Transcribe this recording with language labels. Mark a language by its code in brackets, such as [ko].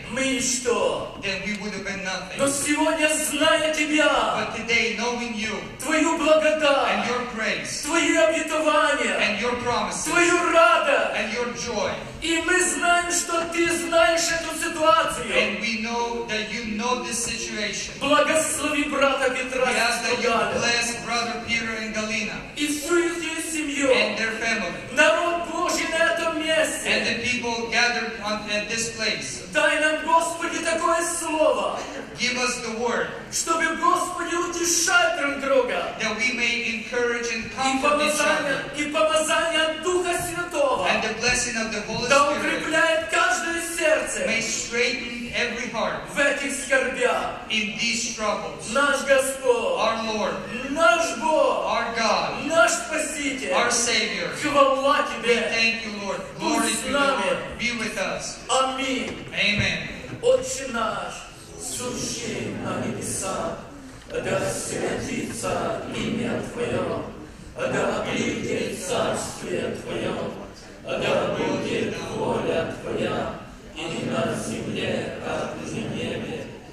[ru] Мы ничто. [en] Then we would have been nothing. [ru] Но сегодня, зная Тебя. [en] But today, knowing you. [ru] Твою благодать. [en] And your grace. [ru] Твои обетования. [en] And your promises. [ru] Твою радость. [en] And your joy. [ru] И мы знаем, что Ты знаешь эту ситуацию. [en] And we know that you know this situation. [ru] Благослови брата Петра. [en] We ask that you bless brother Peter and Galina. [ru] И всю их семью. [en] And their family. [ru] Народ Божий на этом месте. [en] And the people gathered at this place. [ru] Дай нам, Господи, такое слово. [en] Give us the word. [ru] Чтобы, Господи, утешать друг друга. [en] That we may encourage and comfort each other. [ru] И помазание Духа Святого. [en] And the blessing of the Holy [ru] Spirit. Да укрепляет каждое сердце. [en] May straighten every heart. [ru] В этих скорбях. [en] In these troubles. [ru] Наш Господь. [en] Our Lord. [ru] Наш Бог. [en] Our God. [ru] Наш Спаситель. [en] Our Savior. [ru] Хвала Тебе. [en] We thank you, Lord. Glory to you, Lord. Be with us. [ru] Аминь. Аминь. [en] Amen. [ru] Отче наш, сущий на небесах, да святится имя Твое, да придет царствие Твое, да будет воля Твоя, и на земле, как на небе.